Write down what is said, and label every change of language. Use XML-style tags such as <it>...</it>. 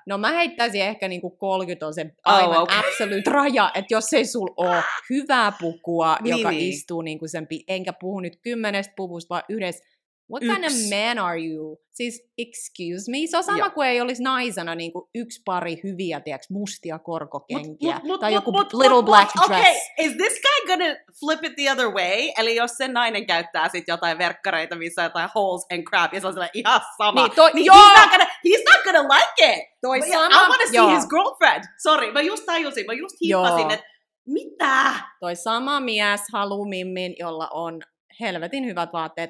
<fi>No mä heittäisin ehkä niinku 30 on se aivan absoluut raja, että jos ei sul ole hyvää pukua, joka istuu niinku sen, enkä puhu nyt 10 puvusta, vaan yhdessä.</fi> <en>What kind of man are you?</en> <fi>Siis excuse me. Se on sama kuin ei olisi naisena niinku yksi pari hyviä, tiiäks, mustia korkokenkiä.</fi> <en>Little black dress. Okay, is this guy gonna flip it the other way?</en> <fi>Eli jos sen nainen käyttää sit jotain verkkareita, missä jotain</fi> <en>holes and crap,</en> <fi>ja se on sellainen ihan sama.</fi> <en>He's not gonna like it.</en> <fi>Toi sama,</fi> <en>I wanna see his girlfriend.</en> <fi>Sorry, mä just tajusin, mä just hiippasin, että mitä? Toi sama mies haluu mimmin, jolla on helvetin hyvät vaatteet.</fi>